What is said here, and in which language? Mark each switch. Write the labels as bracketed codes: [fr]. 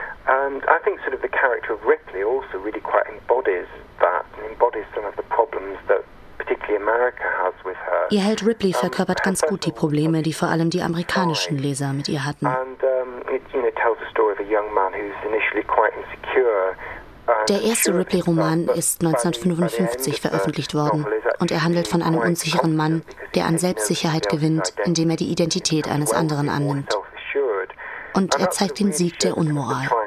[en] And I think sort of the character of Ripley also really quite embodies that and embodies some of the problems that particularly America has with her. [de] Ihr Held Ripley verkörpert ganz gut die Probleme, die vor allem die amerikanischen Leser mit ihr hatten. [en] And it, you know, tells the story of a young man who's initially quite insecure. [de] Der erste Ripley-Roman ist 1955 veröffentlicht worden und er handelt von einem unsicheren Mann, der an Selbstsicherheit gewinnt, indem er die Identität eines anderen annimmt. Und er zeigt den Sieg der Unmoral.